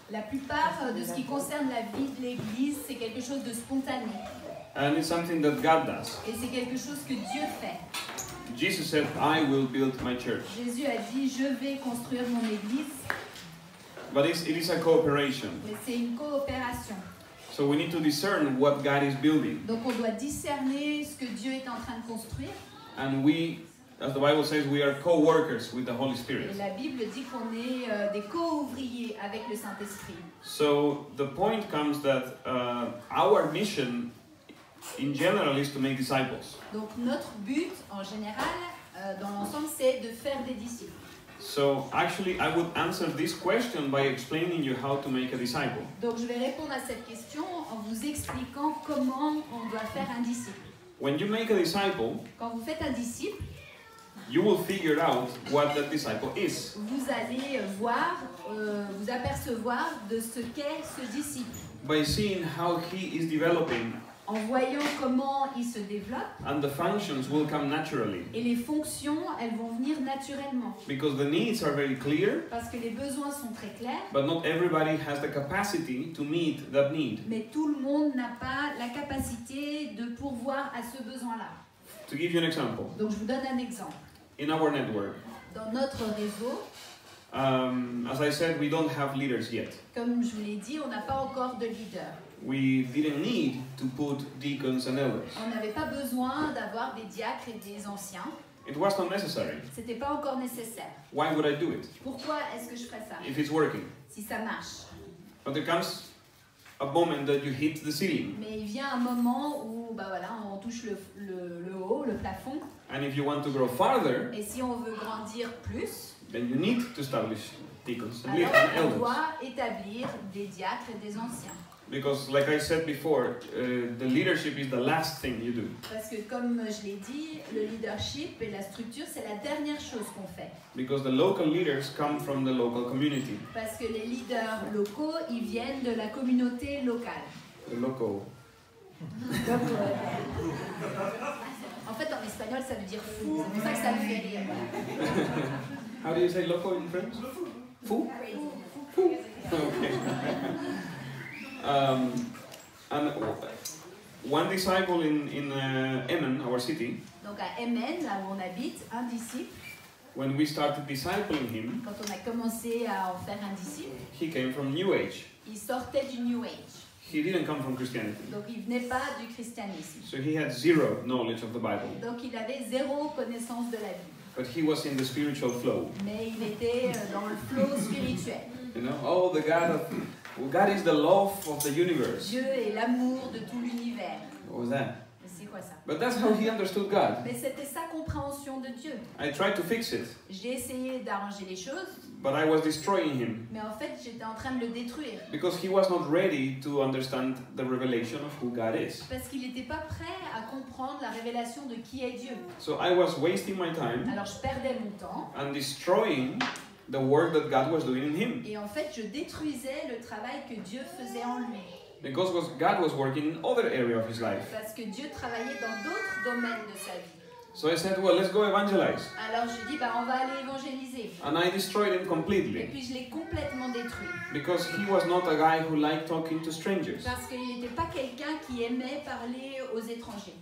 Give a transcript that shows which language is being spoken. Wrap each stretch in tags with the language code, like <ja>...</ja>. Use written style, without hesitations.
<fr>La plupart de ce qui concerne la vie de l'église, c'est quelque chose de spontané.</fr> <en>And it's something that God does.</en> <fr>Et c'est quelque chose que Dieu fait.</fr> <en>Jesus said, I will build my church.</en> <fr>Jésus a dit, je vais construire mon église.</fr> <en>But it is a cooperation.</en> <fr>Mais c'est une coopération.</fr> <en>So we need to discern what God is building.</en> <fr>Donc on doit discerner ce que Dieu est en train de construire.</fr> <en>And we, as the Bible says, we are co-workers with the Holy Spirit.</en> <fr>Et la Bible dit qu'on est des co-ouvriers avec le Saint-Esprit.</fr> <en>So the point comes that our mission in general is to make disciples.</en> <fr>Donc notre but en général dans l'ensemble c'est de faire des disciples.</fr> <en>So actually I would answer this question by explaining you how to make a disciple.</en> <fr>Donc je vais répondre à cette question en vous expliquant comment on doit faire un disciple.</fr> <en>When you make a disciple,</en> <fr>quand vous faites un disciple,</fr> <en>you will figure out what that disciple is.</en> <fr>Vous allez voir vous apercevoir de ce qu'est ce disciple.</fr> <en>By seeing how he is developing.</en> <fr>En voyant comment il se développe.</fr> <en>And the functions will come naturally.</en> <fr>Et les fonctions, elles vont venir naturellement.</fr> <en>Because the needs are very clear.</en> <fr>Parce que les besoins sont très clairs.</fr> <en>But not everybody has the capacity to meet that need.</en> <fr>Mais tout le monde n'a pas la capacité de pourvoir à ce besoin-là.</fr> <en>To give you an example.</en> <fr>Donc je vous donne un exemple.</fr> <en>In our network.</en> <fr>Dans notre réseau.</fr> <en>As I said, we don't have leaders yet.</en> <fr>Comme je vous l'ai dit, on n'a pas encore de leader.</fr> <en>We didn't need to put deacons and elders.</en> <fr>On n'avait pas besoin d'avoir des diacres et des anciens.</fr> <en>It was not necessary.</en> <fr>C'était pas encore nécessaire.</fr> <en>Why would I do it?</en> <fr>Pourquoi est-ce que je ferais ça?</fr> <en>If it's working.</en> <fr>Si ça marche.</fr> <en>But there comes a moment that you hit the ceiling.</en> <fr>Mais il vient un moment où bah voilà, on touche le haut, le plafond.</fr> <en>And if you want to grow farther,</en> <fr>et si on veut grandir plus,</fr> <en>then you need to establish deacons and leaders and elders.</en> <fr>On doit établir des diacres et des anciens.</fr> <en>Because, like I said before, the leadership is the last thing you do.</en> <fr>Parce que, comme je l'ai dit, le leadership et la structure, c'est la dernière chose qu'on fait.</fr> <en>Because the local leaders come from the local community.</en> <fr>Parce que les leaders locaux, ils viennent de la communauté locale.</fr> <en>The local.</en> <fr>En fait, en espagnol, ça veut dire fou. C'est pour ça que ça me fait rire.</fr> <en>How do you say local in French?</en> <fr>Fou. Fou. Fou.</fr> <en>Okay. And one disciple in Emmen, our city.</en> <fr>Donc à Emmen, là où on habite, un disciple.</fr> <en>When we started discipling him.</en> <fr>Quand on a commencé à en faire un disciple.</fr> <en>He came from New Age.</en> <fr>Il sortait du New Age.</fr> <en>He didn't come from Christianity.</en> <fr>Donc il venait pas du christianisme.</fr> <en>So he had zero knowledge of the Bible.</en> <fr>Donc il avait zéro connaissance de la Bible.</fr> <en>But he was in the spiritual flow.</en> <fr>Mais il était dans le flow spirituel.</fr> <en>You know, oh, the God of God is the love of the universe.</en> <fr>Dieu est l'amour de tout l'univers.</fr> <en>What was that?</en> <fr>Mais c'est quoi ça?</fr> <en>But that's how he understood God.</en> <fr>Mais c'était sa compréhension de Dieu.</fr> <en>I tried to fix it.</en> <fr>J'ai essayé d'arranger les choses.</fr> <en>But I was destroying him.</en> <fr>Mais en fait, j'étais en train de le détruire.</fr> <en>Because he was not ready to understand the revelation of who God is.</en> <fr>Parce qu'il n'était pas prêt à comprendre la révélation de qui est Dieu.</fr> <en>So I was wasting my time.</en> <fr>Alors je perdais mon temps.</fr> <en>And destroying the work that God was doing in him.</en> <fr>Et en fait, je détruisais le travail que Dieu faisait en lui.</fr> <en>Because God was working in other areas of his life.</en> <fr>Parce que Dieu travaillait dans d'autres domaines de sa vie.</fr> <en>So I said, well, let's go evangelize.</en> <fr>Alors je dis, bah, on va aller évangéliser.</fr> <en>And I destroyed him completely.</en> <fr>Et puis je l'ai complètement détruit.</fr> <en>Because he was not a guy who liked talking to strangers.</en> <fr>Parce qu'il n'était pas quelqu'un qui aimait parler aux étrangers.</fr>